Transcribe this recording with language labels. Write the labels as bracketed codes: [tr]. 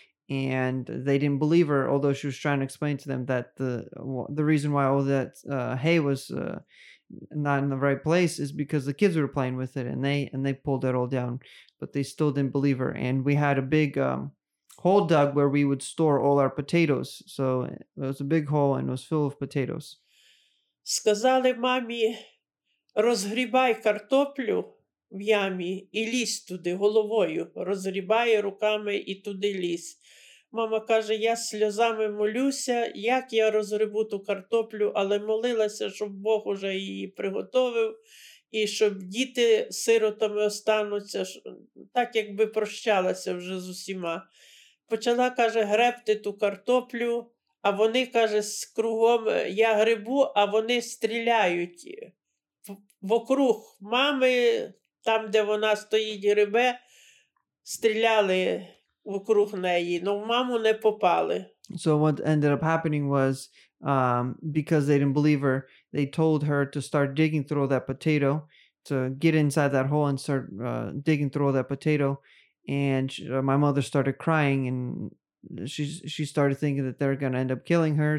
[en] And they didn't believe her, although she was trying to explain to them that the reason why all that hay was not in the right place is because the kids were playing with it and they pulled it all down, but they still didn't believe her. And we had a big hole dug where we would store all our potatoes. So it was a big hole and it was full of potatoes. [uk] Сказали мамі, розгрібай картоплю в ямі і лізь туди головою, розгрібай руками і туди лізь. Мама каже, я сльозами молюся, як я розгребу ту картоплю, але молилася, щоб Бог уже її приготовив, і щоб діти сиротами остануться, так якби прощалася вже з усіма. Почала, каже, гребти ту картоплю, а вони, каже, з кругом я грибу, а вони стріляють вокруг мами, там, де вона стоїть, грибе, стріляли вокруг неї, но в маму не попали. [en] So what ended up happening was, because they didn't believe her, they told her to start digging through that potato, to get inside that hole and start digging through that potato. And my mother started crying, and she started thinking that they're going to end up killing her.